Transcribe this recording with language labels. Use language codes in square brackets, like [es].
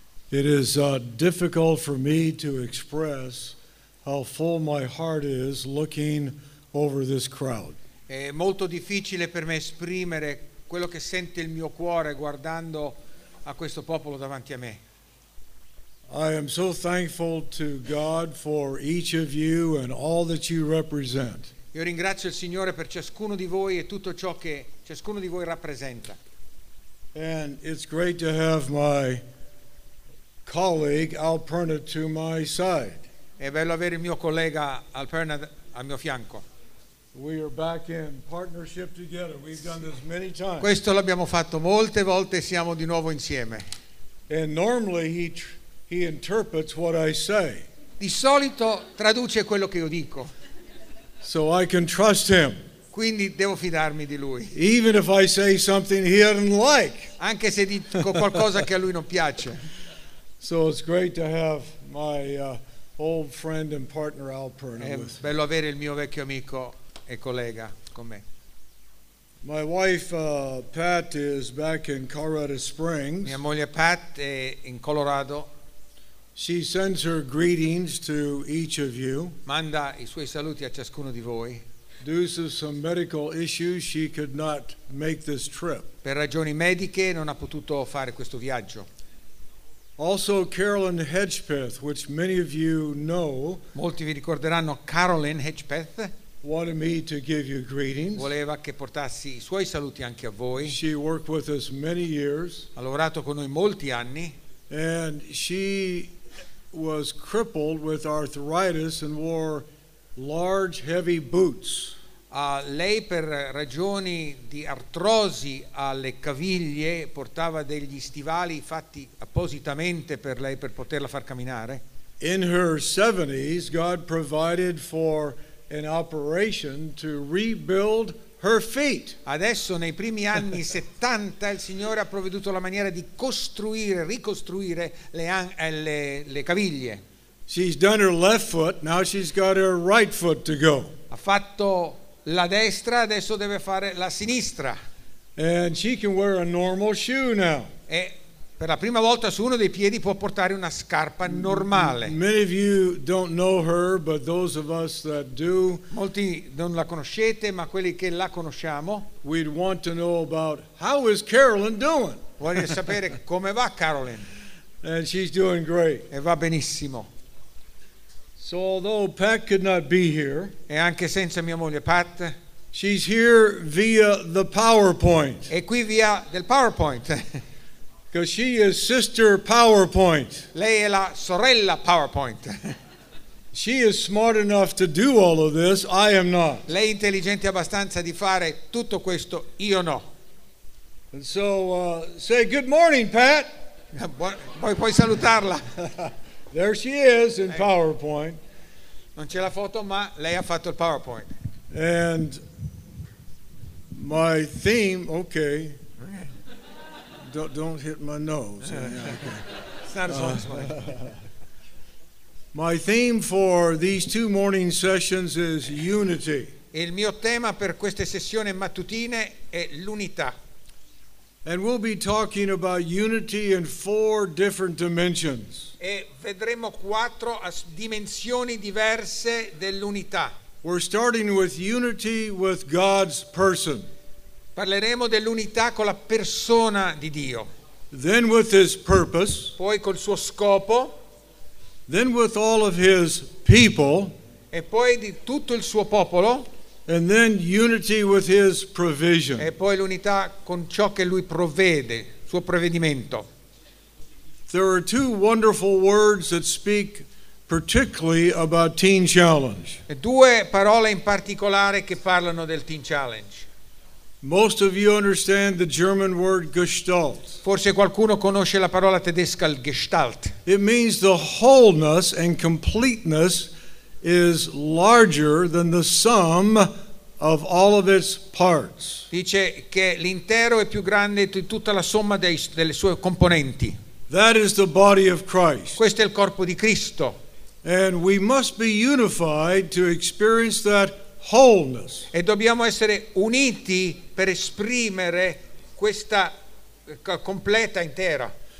[en] It is difficult for me to express how full my heart is looking over this crowd. [it] È molto difficile per me esprimere quello che sente il mio cuore guardando a questo popolo davanti a me. [en] I am so thankful to God for each of you and all that you represent. [it] Io ringrazio il Signore per ciascuno di voi e tutto ciò che ciascuno di voi rappresenta. [en] And it's great to have my colleague Alperna to my side. [it] È bello avere il mio collega Alperna al mio fianco. [en] We are back in partnership together. We've done this many times. [it] Questo l'abbiamo fatto molte volte, siamo di nuovo insieme. [en] And normally he interprets what I say. [it] Di solito traduce quello che io dico. [en] So I can trust him. [it] Quindi devo fidarmi di lui. [en] Even if I say something he doesn't like. [it] Anche se dico qualcosa che a lui non piace. [en] So it's great to have my old friend and partner Alperna with me. [it] È bello avere il mio vecchio amico e collega con me. [en] My wife Pat is back in Colorado Springs. [it] Mia moglie Pat è in Colorado. [en] She sends her greetings to each of you. [it] Manda i suoi saluti a ciascuno di voi. [en] Due to some medical issues, she could not make this trip. [it] Per ragioni mediche non ha potuto fare questo viaggio. [en] Also, Carolyn Hedgepeth, which many of you know. [it] Molti vi ricorderanno Carolyn Hedgepeth. [en] Wanted me to give you greetings. [it] Voleva che portassi i suoi saluti anche a voi. [en] She worked with us many years. [it] Ha lavorato con noi molti anni. [en] And she was crippled with arthritis and wore large, heavy boots. [it] Lei per ragioni di artrosi alle caviglie portava degli stivali fatti appositamente per lei per poterla far camminare. [en] In her 70s, God provided for an operation to rebuild her feet. [it] Adesso nei primi anni 70 il Signore ha provveduto la maniera di costruire, ricostruire le caviglie. [en] She's done her left foot, now she's got her right foot to go. [it] Ha fatto la destra, adesso deve fare la sinistra. [en] And she can wear a normal shoe now. [it] E per la prima volta su uno dei piedi può portare una scarpa normale. [en] Many of you don't know her, but those of us that do, [it] molti non la conoscete, ma quelli che la conosciamo, [en] we'd want to know about how is Carolyn doing? [it] Voglio sapere come va Carolyn. [en] And she's doing great. [it] E va benissimo. [en] So although Pat could not be here, [it] e anche senza mia moglie Pat, [en] she's here via the PowerPoint. [it] È qui via del PowerPoint. [en] Because she is sister PowerPoint. [it] Lei è la sorella PowerPoint. [en] She is smart enough to do all of this. I am not. [it] Lei è intelligente abbastanza di fare tutto questo. Io no. [en] And so say good morning, Pat. [it] Puoi salutarla. [en] There she is in PowerPoint. [it] Non c'è la foto, ma lei ha fatto il PowerPoint. [en] And my theme, okay. Don't hit my nose. Yeah, okay. It's not as long as my theme for these two morning sessions is unity. [it] Il mio tema per queste sessioni mattutine è l'unità. [en] And we'll be talking about unity in four different dimensions. [it] E vedremo quattro dimensioni diverse dell'unità. [en] We're starting with unity with God's person. [it] Parleremo dell'unità con la persona di Dio. [en] Then with his purpose. [it] Poi col suo scopo. [en] Then with all of his people. [it] E poi di tutto il suo popolo. [en] And then unity with his provision. [it] E poi l'unità con ciò che lui provvede, suo provvedimento. [en] There are two wonderful words that speak particularly about Teen Challenge. [it] E due parole in particolare che parlano del Teen Challenge. [en] Most of you understand the German word Gestalt. [it] Forse qualcuno conosce la parola tedesca Gestalt. [en] It means the wholeness and completeness is larger than the sum of all of its parts. [it] Dice che l'intero è più grande di tutta la somma delle sue componenti. [en] That is the body of Christ. [it] Questo è il corpo di Cristo. [en] And we must be unified to experience that wholeness. [it] E dobbiamo essere uniti per esprimere questa completa intera.